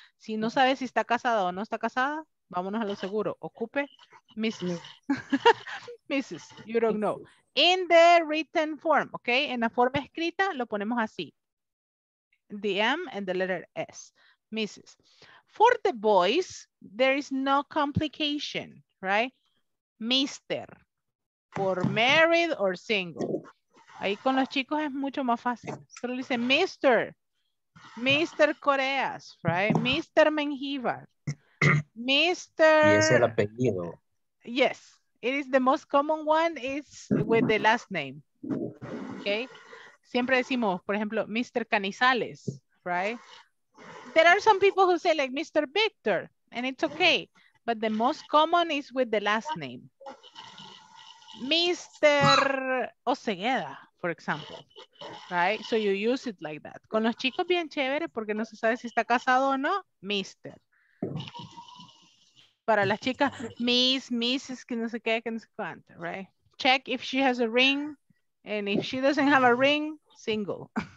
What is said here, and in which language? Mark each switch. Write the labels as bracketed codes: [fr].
[es] Si no sabes si está casada o no está casada, vámonos a lo seguro. Ocupe. Mrs. Mrs. [en] You don't know. In the written form, okay? [es] En la forma escrita, lo ponemos así. [en] The M and the letter S. Mrs. For the boys, there is no complication, right? Mister. For married or single. [es] Ahí con los chicos es mucho más fácil. Solo dice Mr. Mr. Coreas, right? Mr. Menjivar. Mr. Y es el apellido. [en] Yes, it is the most common one is with the last name. Okay. [es] Siempre decimos, por ejemplo, Mr. Canizales, right? [en] There are some people who say like Mr. Victor, and it's okay. But the most common is with the last name. Mr. Osegueda, for for example, right? So you use it like that. [es] Con los chicos bien chévere porque no se sabe si está casado o no, mister. Para las chicas, miss, misses, que no sé cuánto, right? [en] Check if she has a ring, and if she doesn't have a ring, single.